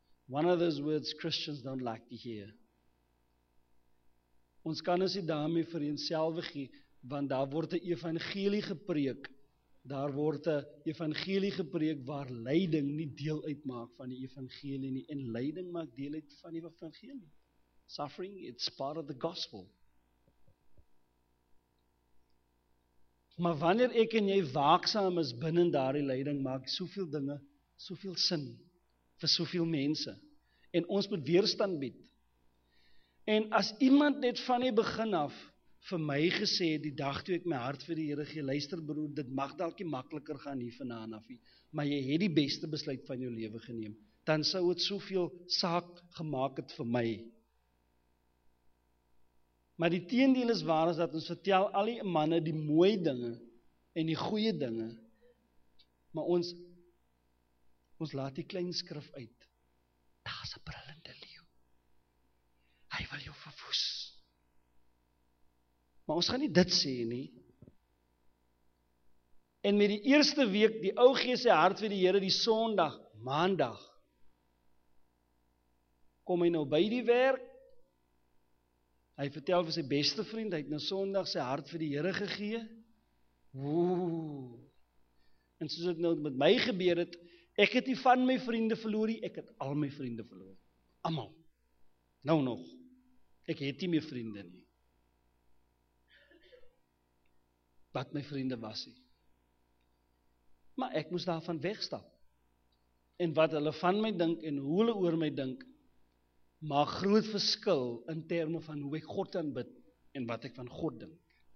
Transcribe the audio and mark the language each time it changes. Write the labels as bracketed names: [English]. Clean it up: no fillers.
[English] One of those words Christians don't like to hear. [Afrikaans] Ons kan ons nie daarmee vereenselwig gee, want daar word 'n evangelie gepreek. Daar word 'n evangelie gepreek waar lyding nie deel uitmaak van die evangelie nie. En lyding maak deel uit van die evangelie. [English] Suffering, it's part of the gospel. [Afrikaans] Maar wanneer ek en jy waaksaam is binnen daardie leiding, maak soveel dinge, soveel sin, vir soveel mense. En ons moet weerstand bied. En as iemand net van die begin af vir my gesê, die dag toe ek my hart vir die Here gee, luister broer, dit mag dalk nie makliker gaan hier vanaand af, maar jy het die beste besluit van jou lewe geneem, dan sou het soveel saak gemaak het vir my. Maar die teendeel is waar, is dat ons vertel al die manne die mooie dinge en die goeie dinge, maar ons laat die klein skrif uit. Daar is 'n brullende leeu. Hy wil jou verwoes. Maar ons gaan nie dit sê nie. En met die eerste week, die ou gee sy hart vir die Here, die Sondag, Maandag, kom hy nou by die werk. Hy vertel vir sy beste vriend, hy het nou Sondag sy hart vir die Here gegee. En soos het nou met my gebeur het, ek het nie van my vriende verloor, ek het al my vriende verloor. Amal. Nou nog. Ek het nie meer vriende nie. Wat my vriende was nie. Maar ek moes daarvan wegstap. En wat hulle van my dink en hoe hulle oor my dink, maar groot verskil in terme van hoe ek God aanbid en wat ek van God dink.